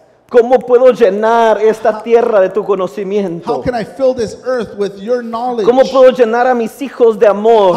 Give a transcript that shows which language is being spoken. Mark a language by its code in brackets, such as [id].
[es] ¿Cómo puedo llenar esta tierra de tu conocimiento? [en] How can I fill this earth with your knowledge? [es] ¿Cómo puedo llenar a mis hijos de amor?